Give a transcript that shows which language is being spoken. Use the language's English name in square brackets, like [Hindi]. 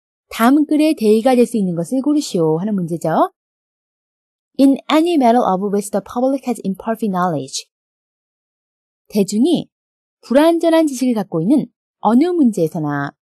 [Korean] 다음 글에 대의가 될 수 있는 것을 고르시오 하는 문제죠. [English] In any matter of which the public has imperfect knowledge. [Korean] 대중이 불완전한 지식을 갖고 있는 어느 문제에서나.